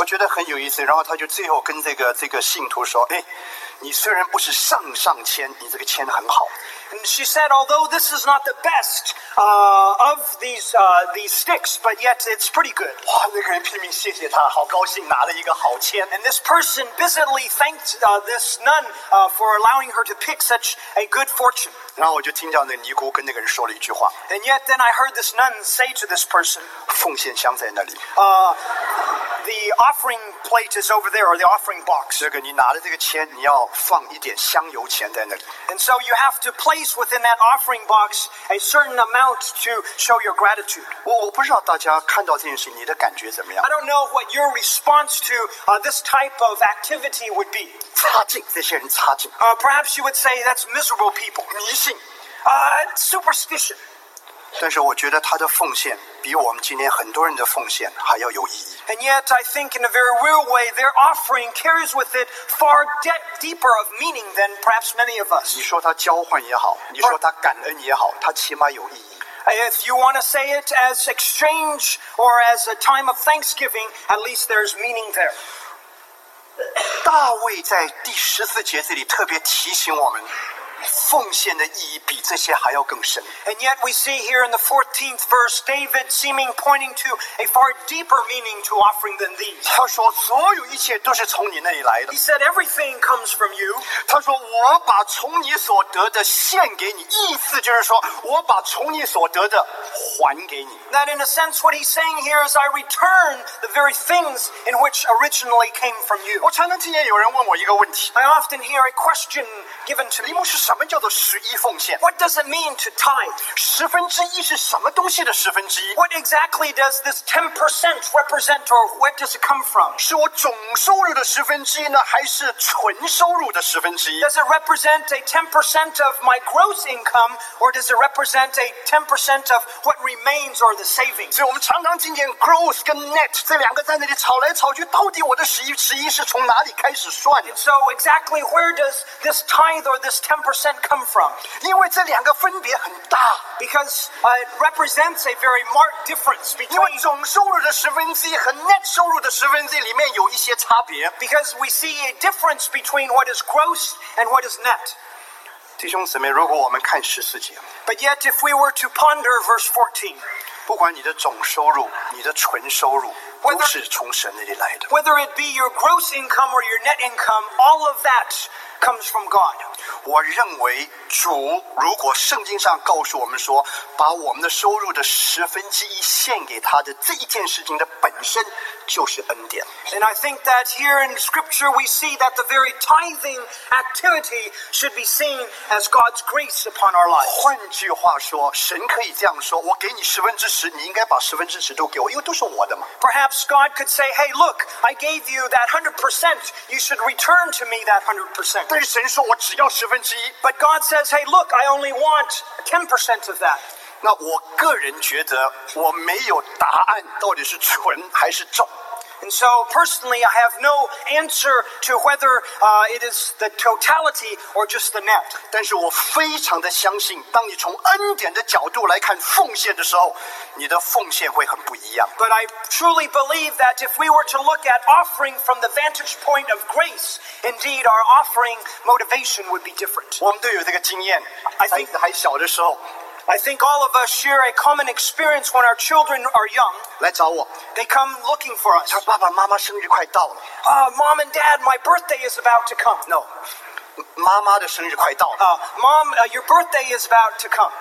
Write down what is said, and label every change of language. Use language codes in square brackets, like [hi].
[zh] 我觉得很有意思。然后他就最后跟这个信徒说：“哎，你虽然不是上上签，你这个签很好。” [en] And she said, although this is not the best of these sticks, but yet it's pretty good. [zh] 哇，那个人拼命谢谢他，好高兴拿了一个好签。 [en] And this person busily thanked this nun for allowing her to pick such a good fortune. [zh] 然后我就听到那尼姑跟那个人说了一句话。 [en] And yet then I heard this nun say to this person, [zh] 奉献箱在那里。 [en] The offering plate is over there, or the offering box. [zh] 这个你拿了这个签，你要放一点香油钱在那里。 [en] And so you have to place within that offering box a certain amount to show your gratitude. [zh] 我不知道大家看到这件事，你的感觉怎么样 [en] ？I don't know what your response to this type of activity would be. [zh] 差劲，这些人差劲。 [en] Perhaps you would say that's miserable people. [zh] 迷信。 [en] Superstition. [zh] 但是我觉得他的奉献。比我们今天很多人的奉献还要有意义。 [en] And yet, I think in a very real way, their offering carries with it far deeper of meaning than perhaps many of us. [zh] 你说他交换也好，你说他感恩也好，他起码有意义。 [en] If you want to say it as exchange or as a time of thanksgiving, at least there's meaning there. [zh] 大卫在第十四节这里特别提醒我们。奉献的意义比这些还要更深。 [en] And yet we see here in the 14th verse, David seeming pointing to a far deeper meaning to offering than these. [zh] 他说所有一切都是从你那里来的。 [en] He said everything comes from you. [zh] 他说我把从你所得的献给你，意思就是说我把从你所得的还给你。 [en] That in a sense what he's saying here is I return the very things in which originally came from you. [zh] 我常常听见有人问我一个问题。 [en] I often hear a question given to me. [zh] 李牧师什么叫做十一奉献 [en] ？What does it mean to tithe? [zh] 十分之一是什么东西的十分之一 [en] ？What exactly does this 10% represent, or where does it come from? [zh] 是我总收入的十分之一呢，还是纯收入的十分之一 [en] ？Does it represent a 10% of my gross income, or does it represent a 10% of what remains or the savings? [zh] 所以我们常常听见 gross 跟 net 这两个在那里吵来吵去，到底我的十一是从哪里开始算 [en] ？So exactly where does this tithe or this 10% come from? [zh] 因为这两个分别很大 [en] because it represents a very marked difference between [zh] 因为总收入的十分之一和 net 收入的十分之一里面有一些差别 [en] because we see a difference between what is gross and what is net. [zh] 弟兄姊妹，如果我们看十四节 [en] but yet if we were to ponder verse 14, [zh] 不管你的总收入，你的纯收入。 [en] Whether it be your gross income or your net income, all of that comes from God. [zh] 我认为主如果圣经上告诉我们说把我们的收入的十分之一献给他的这一件事情的本身就是恩典。 [en] And I think that here in Scripture we see that the very tithing activity should be seen as God's grace upon our lives. [zh] 换句话说，神可以这样说：我给你十分之十，你应该把十分之十都给我，因为都是我的嘛。 [en] Perhaps God could say, "Hey, look, I gave you that 100%. You should return to me that 100%." [zh] 但是神说我只要十分之一。 [en] But God says, "Hey, look, I only want 10% of that." [zh] 那我个人觉得我没有答案，到底是纯还是重。 [en] And so, personally, I have no answer to whether it is the totality or just the net. [zh] 但是我非常的相信，当你从恩典的角度来看奉献的时候，你的奉献会很不一样。 [en] But I truly believe that if we were to look at offering from the vantage point of grace, indeed, our offering motivation would be different. [zh] 我们都有这个经验。 [en] I think [zh] 还小的时候。 [en] I think all of us share a common experience when our children are young. [zh] 来找我。 [en] They come looking for us. [zh] 说爸爸妈妈生日快到了。 [en] Mom and Dad, my birthday is about to come. [zh] No, 妈妈的生日快到了。 [en] Mom, your birthday is about to come.